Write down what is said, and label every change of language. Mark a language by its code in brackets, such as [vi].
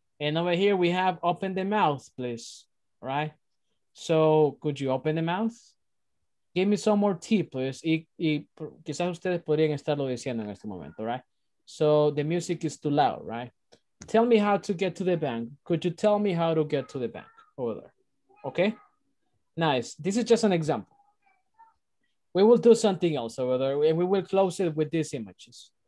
[en] And over here, we have open the mouth, please. All right? So, could you open the mouth? Give me some more tea, please. [es] Y quizás ustedes podrían estarlo diciendo en este momento, right? [en] So, the music is too loud, right? Tell me how to get to the bank. Could you tell me how to get to the bank over there? Okay? Nice. This is just an example. We will do something else over there, and we will close it with these images.